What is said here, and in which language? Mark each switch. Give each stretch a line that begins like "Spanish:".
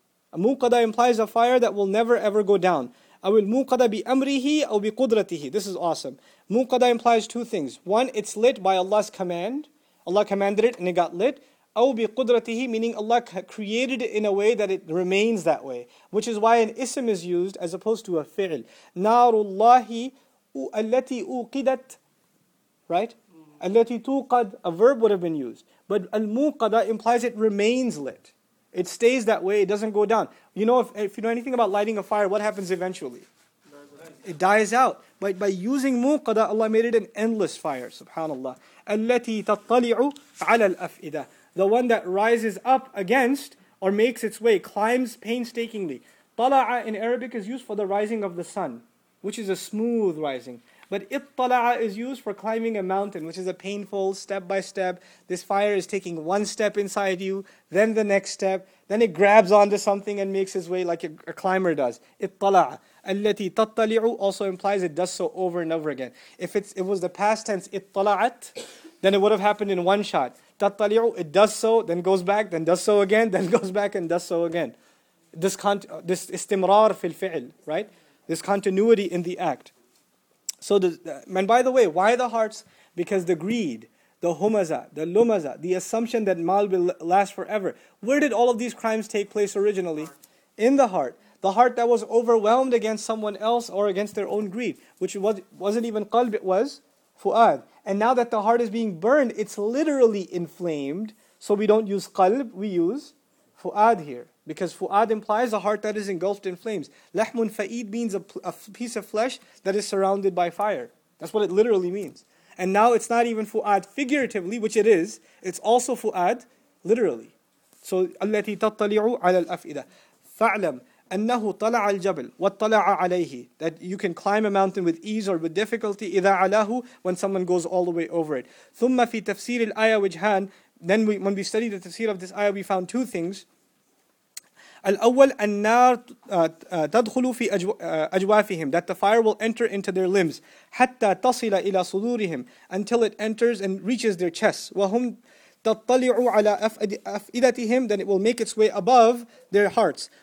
English: A muqada implies a fire that will never ever go down.
Arabic: Awil muqada bi amrihi aw bi qudratihi.
English: This is awesome. Muqada implies two things. One, it's lit by Allah's command. Allah commanded it and it got lit.
Arabic: أو بقدرته,
English: meaning Allah created it in a way that it remains that way. Which is why an ism is used as opposed to a fi'l.
Arabic: نار الله التي أوقدت, right? التي توقد,
English: a verb would have been used. But al-muqada implies it remains lit. It stays that way, it doesn't go down. You know, if you know anything about lighting a fire, what happens eventually? It dies out. But by using muqada, Allah made it an endless fire, subhanAllah.
Arabic: التي تطلع على الأفئدة.
English: The one that rises up against, or makes its way, climbs painstakingly. طَلَعَ in Arabic is used for the rising of the sun, which is a smooth rising. But اِطَّلَعَ is used for climbing a mountain, which is a painful step by step. This fire is taking one step inside you, then the next step, then it grabs onto something and makes its way like a climber does.
Arabic: اِطَّلَعَ. الَّتِي تَطَّلِعُ
English: also implies it does so over and over again. If it was the past tense, اِطَّلَعَت, then it would have happened in one shot. تَطَّلِعُ, it does so, then goes back, then does so again, then goes back and does so again.
Arabic: This استمرار في الفعل, right?
English: This continuity in the act. So, and by the way, why the hearts? Because the greed, the humaza, the lumaza, the assumption that mal will last forever. Where did all of these crimes take place originally? In the heart. The heart that was overwhelmed against someone else or against their own greed, which wasn't even qalb, it was fu'ad. And now that the heart is being burned, it's literally inflamed. So we don't use qalb, we use fu'ad here. Because fu'ad implies a heart that is engulfed in flames. Lahmun fa'id means a piece of flesh that is surrounded by fire. That's what it literally means. And now it's not even fu'ad figuratively, which it is. It's also fu'ad literally.
Arabic: So, التي تطلع على الأفئدة. فعلم أنه طلع الجبل وطلع عليه.
English: That you can climb a mountain with ease or with difficulty.
Arabic: إذا علاه,
English: when someone goes all the way over it.
Arabic: ثم في تفسير الآية وجهان.
English: Then when we studied the tafsir of this ayah, we found two things.
Arabic: الأول النار تدخل في أجوافهم,
English: that the fire will enter into their limbs,
Arabic: حتى تصل إلى صدورهم,
English: until it enters and reaches their chests,
Arabic: وهم تطلع على أفئدتهم,
English: then it will make its way above their hearts.